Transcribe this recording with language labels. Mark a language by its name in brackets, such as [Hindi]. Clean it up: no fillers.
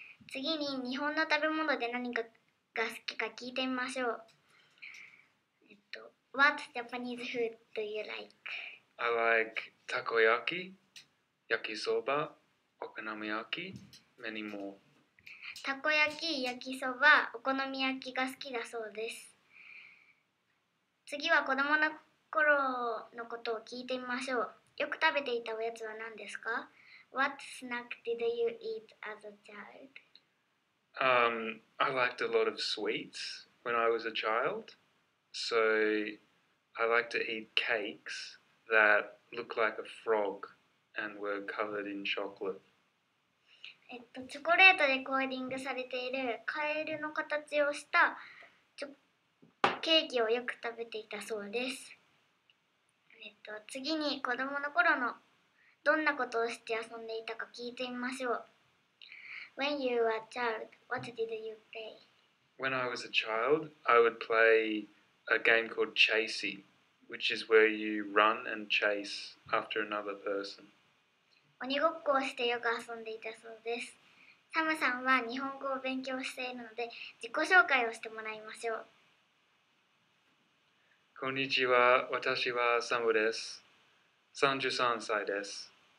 [Japanese] 次に日本の食べ物で何かが好きか聞いてみましょう。 [English] What Japanese food do you like? I like takoyaki, yakisoba, okonomiyaki, many more. [Japanese] たこ焼き、焼きそば、お好み焼きが好きだそうです。次は子供の頃のことを聞いてみましょう。よく食べていたおやつは何ですか? [English] What snack did you eat as a child? I liked a lot of sweets when I was a child, so I liked to eat cakes that looked like a frog and were covered in chocolate. [Japanese] チョコレートでコーティングされているカエルの形をしたケーキをよく食べていたそうです。次に子供の頃のどんなことをして遊んでいたか聞いてみましょう。 [English] When you were a child, what did you play? When I was a child, I would play a game called Chasey, which is where you run and chase after another person. [Japanese] 鬼ごっこをしてよく遊んでいたそうです。サムさんは日本語を勉強しているので、自己紹介をしてもらいましょう。こんにちは。私はサムです。33歳です。